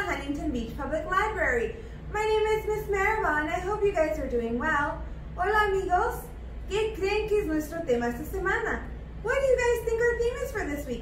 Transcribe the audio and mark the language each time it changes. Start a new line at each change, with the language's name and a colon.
English: name is Miss Maribel, and I hope you guys are doing well.
Spanish: Hola, amigos. ¿Qué creen que es nuestro tema esta semana?
English: What do you guys think our theme is for this week?